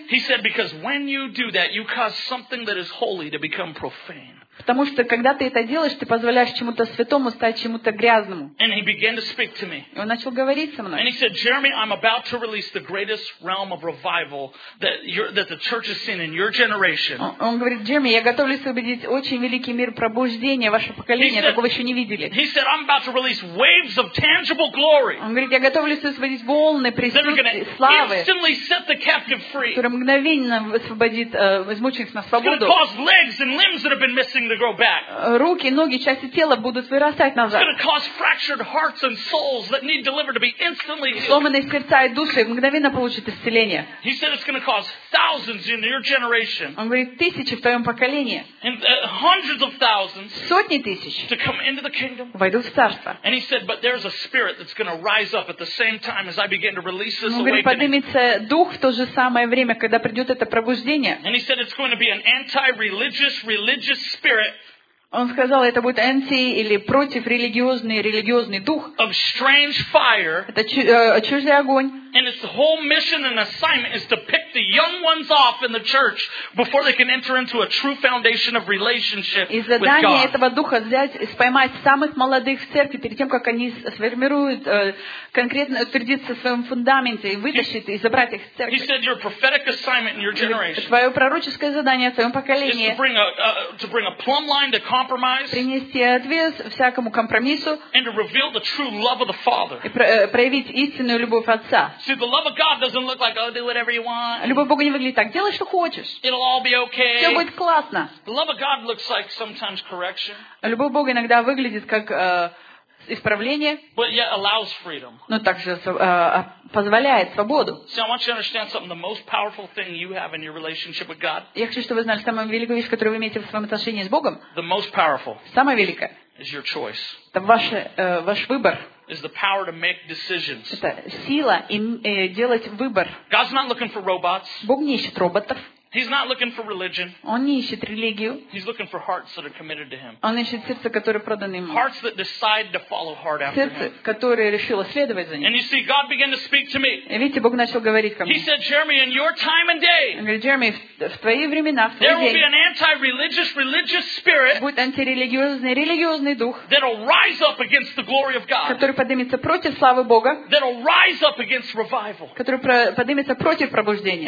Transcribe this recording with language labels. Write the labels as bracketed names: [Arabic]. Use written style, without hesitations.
[English] He said, because when you do that, you cause something that is holy to become profane. [Russian] Потому что, когда ты это делаешь, ты позволяешь чему-то святому стать чему-то грязному. И он начал говорить со мной. [English] And he said, Jeremy, I'm about to release the greatest realm of revival that the church has seen in your generation. [Russian] Он говорит, Джереми, я готовлюсь убедить очень великий мир пробуждения вашего поколения, такого еще не видели. [English] He said, I'm about to release waves of tangible glory. [Russian] Он говорит, я готовлюсь освободить волны присутствия, славы, [English] instantly set the captive free. [Russian] Которые мгновенно освободит измученных на свободу. [English] It's going to cause legs and limbs that have been missing. [Russian] Руки, ноги, части тела будут вырастать назад. [English] It's going to cause fractured hearts and souls that need delivered to be instantly healed. [Russian] Сломанные сердца и души мгновенно получат исцеление. [English] He said it's going to cause thousands in your generation. [Russian] Он говорит, тысячи в твоем поколении. [English] And hundreds of thousands. [Russian] Сотни тысяч. [English] To come into the kingdom. [Russian] Войдут в царство. [English] And he said, but there's a spirit that's going to rise up at the same time as I begin to release this [Russian] awakening. Он говорит, поднимется дух в то же самое время, когда придет это пробуждение. [English] And he said it's going to be an anti-religious spirit. [Russian] Он сказал, это будет анти или против религиозный дух. [English] Of strange fire. [Russian] Это чужой огонь. [English] And its whole mission and assignment is to pick the young ones off in the church before they can enter into a true foundation of relationship with God. [Russian] И задание этого духа взять, поймать самых молодых в церкви перед тем, как они сформируют конкретно утвердиться в своем фундаменте и вытащить и забрать их в церковь. [English] He said your prophetic assignment in your generation. [Russian] Твое пророческое задание в твоем поколении. [English] Is to bring a plumb line to compromise. [Russian] Принести отвес всякому компромиссу. [English] And to reveal the true love of the Father. [Russian] И проявить истинную любовь Отца. [English] See, the love of God doesn't look like, oh, do whatever you want. [Russian] Любовь Бога не выглядит так. Делай, что хочешь. [English] It'll all be okay. [Russian] Все будет классно. [English] The love of God looks like sometimes correction. [Russian] Любовь Бога иногда выглядит как исправление. [English] But yet allows freedom. [Russian] Но также позволяет свободу. [English] See, I want you to understand something. The most powerful thing you have in your relationship with God. [Russian] Я хочу, чтобы вы знали самую великую вещь, которую вы имеете в своем отношении с Богом. [English] The most powerful. [Russian] Самая великая. [English] Is your choice. [Russian] Это ваш выбор. [English] Is the power to make decisions. [Russian] Это сила делать выбор. [English] God's not looking for robots. [Russian] Бог не ищет роботов. [English] He's not looking for religion. [Russian] Он не ищет религию. [English] He's looking for hearts that are committed to him. [Russian] Он ищет сердце, которое предано ему. [English] Hearts that decide to follow hard after him. [Russian] Сердце, которое решило следовать за ним. [English] And you see, God began to speak to me. [Russian] Видите, Бог начал говорить ко мне. [English] He said, Jeremy, in your time and day. [Russian] Он говорит, Джереми, в твои времена, в твой день. [English] There will be an anti-religious spirit. [Russian] Будет антирелигиозный дух. [English] That'll rise up against the glory of God. [Russian] Который поднимется против славы Бога. [English] That'll rise up against revival. [Russian] Который поднимется против пробуждения.